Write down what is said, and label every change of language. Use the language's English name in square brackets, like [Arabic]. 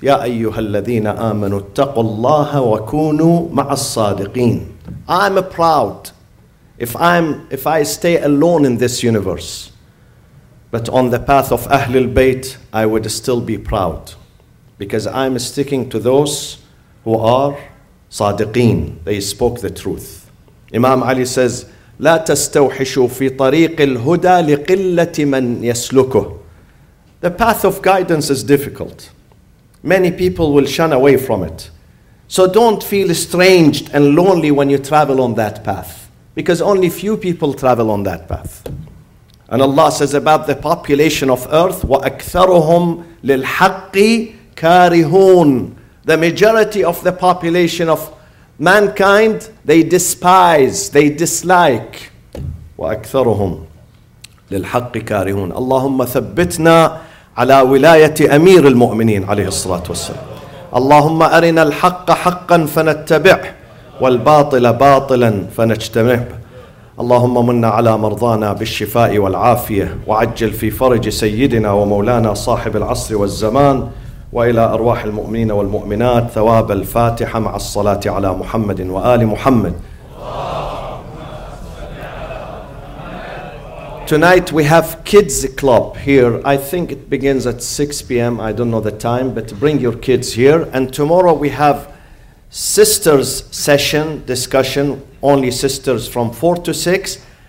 [Arabic] يَا أَيُّهَا الَّذِينَ آمَنُوا اتَّقُوا اللَّهَ وَكُونُوا مَعَ الصَّادِقِينَ. [English] I'm proud. If I stay alone in this universe, but on the path of Ahlul Bayt, I would still be proud. Because I'm sticking to those who are Sadiqeen. They spoke the truth. Imam Ali says, [Arabic] لا تستوحشوا في طريق الهدى لقلة من يسلكه. [English] The path of guidance is difficult. Many people will shun away from it. So don't feel estranged and lonely when you travel on that path, because only few people travel on that path. And Allah says about the population of earth, [Arabic] وَأَكْثَرُهُمْ لِلْحَقِّ كَارِهُونَ. [English] The majority of the population of mankind, they despise, they dislike. [Arabic] وَأَكْثَرُهُمْ لِلْحَقِّ كَارِهُونَ. اللَّهُمَّ ثَبِّتْنَا عَلَى وِلَايَةِ أَمِيرِ الْمُؤْمِنِينَ عليه الصلاة والسلام. اللهم أرنا الحق حقا فنتبع والباطل باطلا فنجتمع. اللهم من على مرضانا بالشفاء والعافية، وعجل في فرج سيدنا ومولانا صاحب العصر والزمان، وإلى أرواح المؤمنين والمؤمنات ثواب الفاتحة مع الصلاة على محمد وآل محمد. [English] Tonight we have kids club here. I think it begins at 6 p.m. I don't know the time, but bring your kids here. And tomorrow we have sisters session discussion, only sisters from 4 to 6.